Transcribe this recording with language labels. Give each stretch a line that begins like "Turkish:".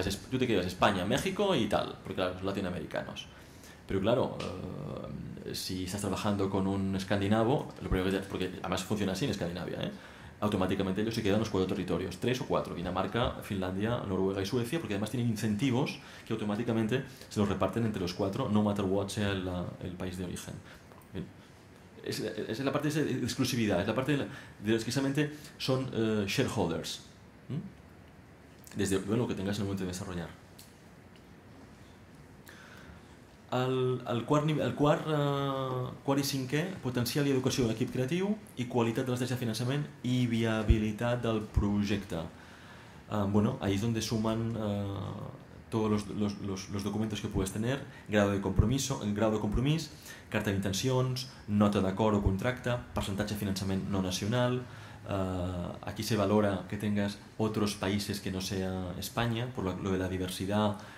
Spanish: Tú te quedas España, México y tal, porque claro, son latinoamericanos. Pero claro, si estás trabajando con un escandinavo, lo primero que te, porque además funciona así en Escandinavia, automáticamente ellos se quedan los cuatro territorios, tres o cuatro, Dinamarca, Finlandia, Noruega y Suecia, porque además tienen incentivos que automáticamente se los reparten entre los cuatro,
English: no matter what
Spanish: sea el país de origen. Esa es la parte de exclusividad, es la parte de los que precisamente son shareholders. Desde bueno, lo que tengas en el momento de desarrollar.
Catalan: El quart i cinquè, potencial i educació de l'equip creatiu i qualitat de l'estratègia de finançament i viabilitat del projecte.
Spanish: Bueno, ahí es donde suman todos los documentos que puedes tener, grado de compromís,
Catalan: carta d'intencions, nota d'acord o contracte, percentatge de finançament no nacional,
Spanish: aquí se valora que tengas otros países que no sea España, por lo de la diversidad.